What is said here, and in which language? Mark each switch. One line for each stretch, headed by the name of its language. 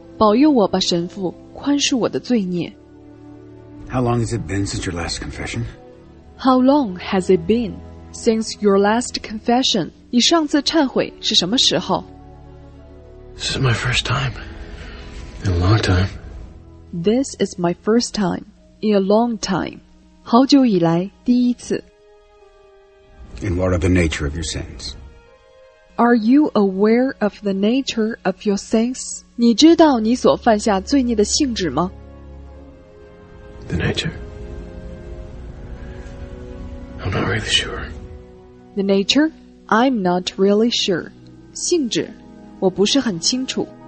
Chinese: 保佑我吧，神父，宽恕我的罪孽。
English: How long has it been since your last confession? How long has it been? Since your last confession,
Chinese: 你上次忏悔是什么时候?
English: This is my first time in a long time. This is my first time in a long time.
Chinese: 好久以来第一次。
English: And what are the nature of your sins? Are you aware of the nature of your sins?
Chinese: 你知道你所犯下罪孽的性质吗?
English: The nature. I'm not really sure. The nature, I'm not really sure.
Chinese: 性质，我不是很清楚。